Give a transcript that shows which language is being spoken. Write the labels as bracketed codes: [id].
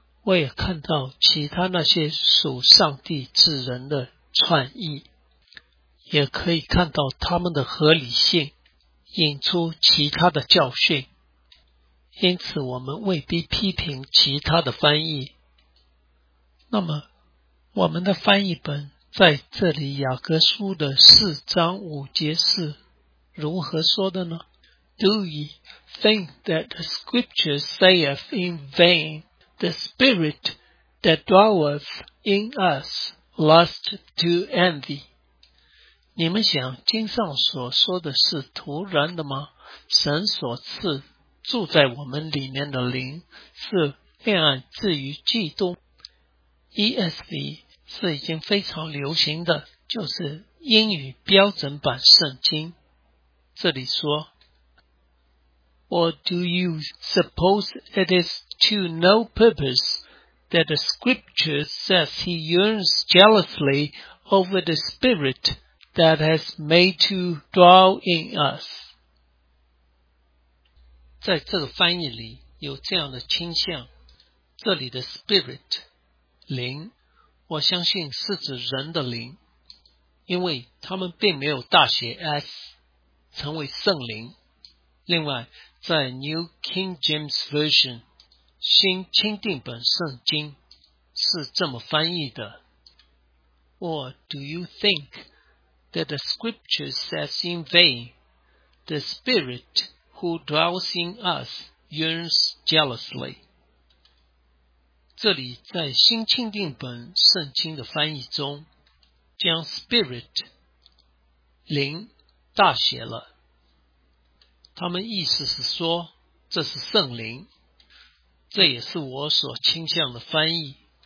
[zh] 我也看到其他那些属上帝之人的串译，也可以看到他们的合理性，引出其他的教训。因此我们未必批评其他的翻译。那么我们的翻译本在这里雅各书的四章五节是如何说的呢？ [en] Do ye think that the scripture saith in vain, the spirit that dwelleth in us lust to envy? [zh] 你们想经上所说的是徒然的吗？神所赐住在我们里面的灵是恋爱至于嫉妒。 ESV 是已经非常流行的，就是英语标准版圣经。这里说 [en] Or do you suppose it is to no purpose that the scripture says he yearns jealously over the spirit that has made to dwell in us? [zh] 在这个翻译里有这样的倾向，这里的 spirit灵，我相信是指人的灵，因为他们并没有大写 S 成为圣灵。另外在 New King James Version 新钦定本圣经是这么翻译的， [en] Or do you think that the scripture says in vain, the spirit who dwells in us yearns jealously? [zh] 这里在新钦定本圣经的翻译中将 spirit 灵大写了，他们意思是说这是圣灵，这也是我所倾向的翻译。